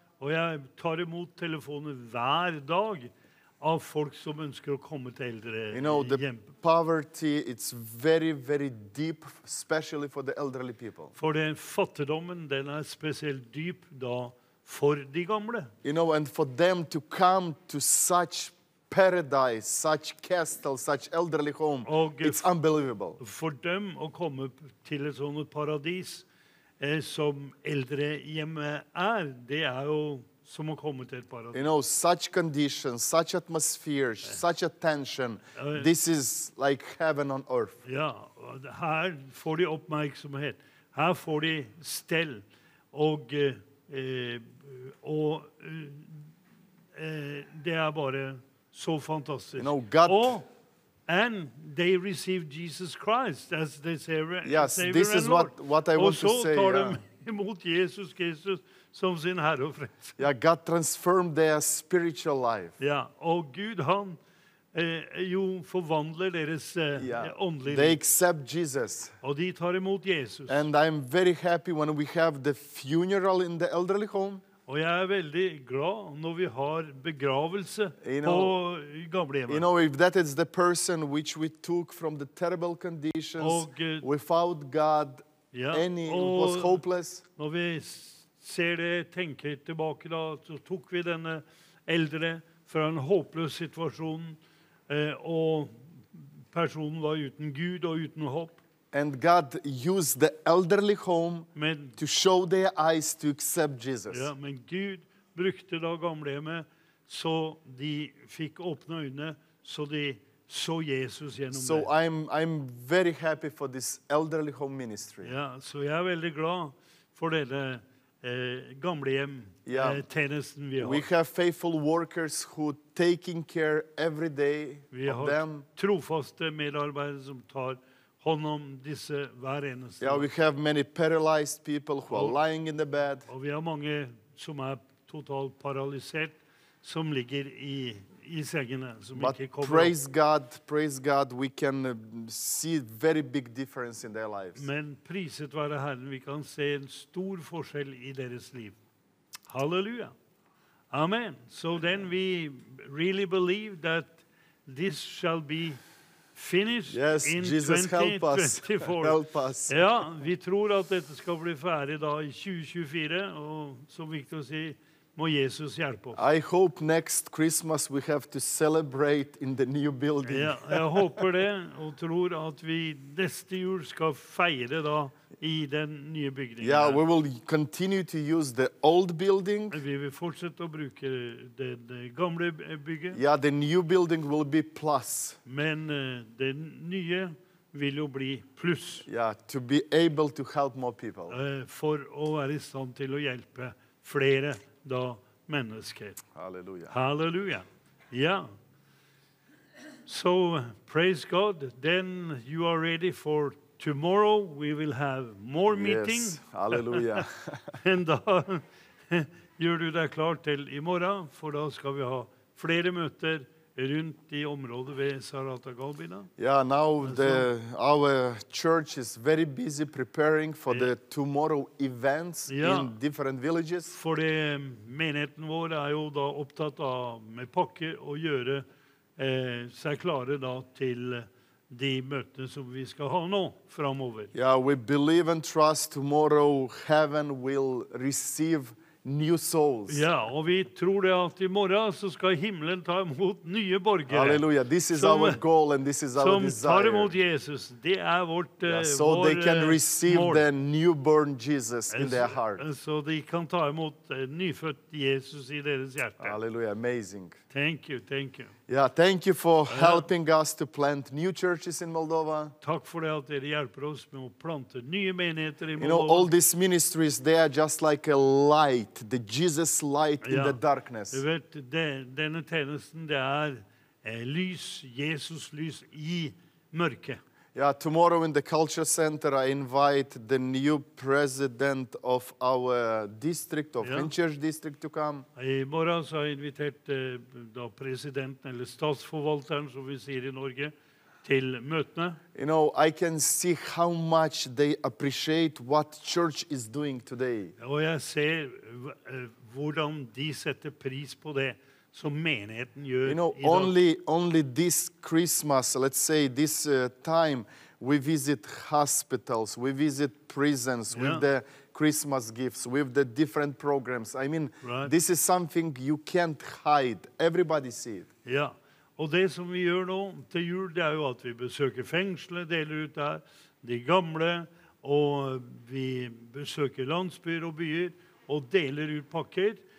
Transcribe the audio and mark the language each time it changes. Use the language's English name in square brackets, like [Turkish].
[Norwegian] Og jeg tar imot telefoner hver dag. Av folk som ønsker å komme til eldre hjem. [English] You know, the poverty, it's very, very deep, especially for the elderly people. [Norwegian] For den fattigdommen, den spesielt dyp da for de gamle. [English] You know, and for them to come to such paradise, such castle, such elderly home, it's unbelievable. [Norwegian] For dem å komme til et sånt paradis som eldre hjemme det jo... [English] You know, such conditions, such atmosphere, such attention, this is like heaven on earth. [Norwegian] Yeah, her får de oppmerksomhet. Her får de stell og det bare så fantastisk. [English] You know, God... And they receive Jesus Christ, as they say, yes, Savior Yes, this is and Lord. What I want to say. [Norwegian] Og så tar de imot Jesus Kristus. Som sin Herre og Frelser. [English] Yeah, God transformed their spiritual life. [Norwegian] Ja, og Gud han jo forvandler deres åndelige. [English] They accept Jesus. [Norwegian] Og de tar imot Jesus. [English] And I'm very happy when we have the funeral in the elderly home. [Norwegian] Og jeg veldig glad når vi har begravelse på gamlehjemmet. [English] You know, if that is the person which we took from the terrible conditions [Norwegian] og, [English] without God, any [Norwegian] og, [English] was hopeless. [Norwegian] Når vi ser det, tenker tilbake da, så tok vi denne eldre fra en håpløs situasjon, og personen var uten Gud og uten håp. [English] And God used the elderly home men, to show their eyes to accept Jesus. [Norwegian] Ja, men Gud brukte da gamlehjemmet, så de fikk åpne øynene, så de så Jesus gjennom [English] so [Norwegian] det. [English] So I'm very happy for this elderly home ministry. [Norwegian] Ja, så jeg veldig glad for denne gamlehjem, tjenesten vi har. [English] We have faithful workers who taking care every day [Norwegian] vi [English] of them. [Norwegian] Vi har trofaste medarbeidere som tar hånd om disse hver eneste. [English] Yeah, we have many paralyzed people who are lying in the bed. [Norwegian] Og vi har mange som totalt paralysert, som ligger I sengene, som [English] but [Norwegian] ikke kommer. [English] Praise God, we can see very big difference in their lives. [Norwegian] Men priset være Herren, vi kan se en stor forskjell I deres liv. Halleluja. Amen. [English] So then we really believe that this shall be finished yes, in Jesus, 2024. Help us. [Norwegian] Ja, vi tror at dette skal bli ferdig da I 2024, og som Victor sier, må Jesus hjelpe oss. [English] I hope next Christmas we have to celebrate in the new building. [Norwegian] Ja, jeg håper det, og tror at vi neste jul skal feire da I den nye bygningen. [English] Yeah, we will continue to use the old building. [Norwegian] Vi vil fortsette å bruke den gamle bygget. [English] Yeah, the new building will be plus. [Norwegian] Men den nye vil jo bli pluss. [English] Yeah, to be able to help more people. [Norwegian] For å være I stand til å hjelpe flere da mennesker. Halleluja. [English] Halleluja. Ja. So, praise God. Then you are ready for tomorrow we will have more meeting. Yes, halleluja. [Norwegian] And da gjør du deg klar til I morgen, for da skal vi ha flere møter rundt I området ved Sarata Galbina. [English] Yeah, now our church is very busy preparing for the tomorrow events in different villages. [Norwegian] For menigheten vår jo da opptatt av med pakke og gjøre seg klare da til de møtene som vi skal ha nå framover. [English] Yeah, we believe and trust tomorrow heaven will receive new souls. [Norwegian] Ja, og vi tror det at I morgen så skal himmelen ta imot nye borgere. [English] Halleluja, this is our goal and this is our desire. [Norwegian] Som tar imot Jesus, det vårt mål. Yeah, [English] so they can receive the newborn Jesus in their heart. [Norwegian] Så de kan ta imot nyfødt Jesus I deres hjerte. [English] Halleluja, amazing. Thank you, thank you. Yeah, thank you for helping us to plant new churches in Moldova. [Norwegian] Takk for at dere hjelper oss med å plante nye menigheter I Moldova. [English] You know, all these ministries, they are just like a light, the Jesus light in the darkness. [Norwegian] Du vet, denne tjenesten, det lys, Jesus lys I mørket. [English] Yeah, tomorrow in the culture center, I invite the new president of our district, of Finchurch district, to come. [Norwegian] I morgen så har jeg invitert da presidenten, eller statsforvalteren, som vi sier I Norge, til møtene. [English] You know, I can see how much they appreciate what church is doing today. [Norwegian] Og jeg ser hvordan de setter pris på det. Som menigheten gjør [English] you know, only this Christmas, let's say, this time, we visit hospitals, we visit prisons with the Christmas gifts, with the different programs. I mean, this is something you can't hide. Everybody see it. [Norwegian] Ja, og det som vi gjør nå til jul, det jo at vi besøker fengsler, deler ut der, de gamle, og vi besøker landsbyer og byer, og deler ut pakker.